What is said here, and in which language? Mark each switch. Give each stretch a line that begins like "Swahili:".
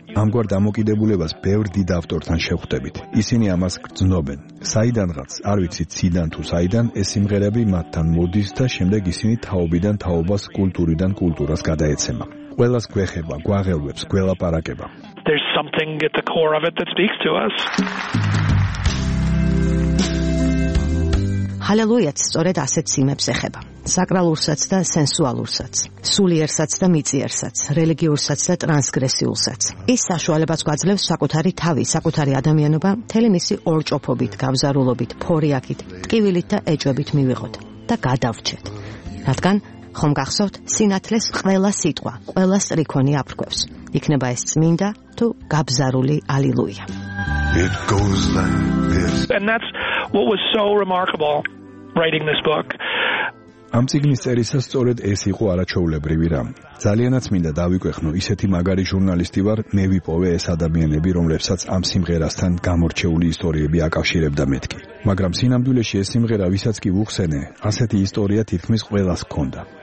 Georgian: ამგვარ დამოკიდებულებას ბევრ დიდ ავტორთან შეხვდებით. ისინი ამას გრძნობენ. საიდანღაც, არ ვიცი ციდან თუ საიდან, ეს სიმღერები მათთან მოდის და შემდეგ ისინი თაობიდან თაობას, კულტურიდან კულტურას გადაეცემა. ყველას გვეხება, გვაღელვებს, გველაპარაკება.
English: There's something at the core of it that speaks to us.
Georgian: Hallelujah, სწორედ ასეთ სიმებს ეხება. საკრალურსაც და სენსუალურსაც, სულიერსაც და მიწიერსაც, რელიგიურსაც და ტრანსგრესიულსაც. ის საშუალებას გვაძლევს საკუთარი თავი, საკუთარი ადამიანობა, მთელი მისი ორჭოფობით, გავზარულობით, ფორიაკით, ტკივილით და ეჭვებით მივიღოთ და გადავრჩეთ. რადგან ხომ გახსოვთ, სინათლეს ყველა სიტყვა, ყველა სტრიქონი აფრქვევს. იქნება ეს წმინდა თუ გაბზარული ალილუია.
English: It goes like this. And that's what was so remarkable writing this book.
Georgian: ამ წიგნის წერისას სწორედ ეს იყო არაჩვეულებრივი რამ. ძალიანაც მინდა დავიკვეხნო, ისეთი მაგარი ჟურნალისტი ვარ, მე ვიპოვე ეს ადამიანები, რომლებსაც ამ სიმღერასთან გამორჩეული ისტორიები აკავშირებდა მეთქი. მაგრამ სინამდვილეში ეს სიმღერა, ვისაც კი უხსენე, ასეთი ისტორია თითქმის ყველას ჰქონდა.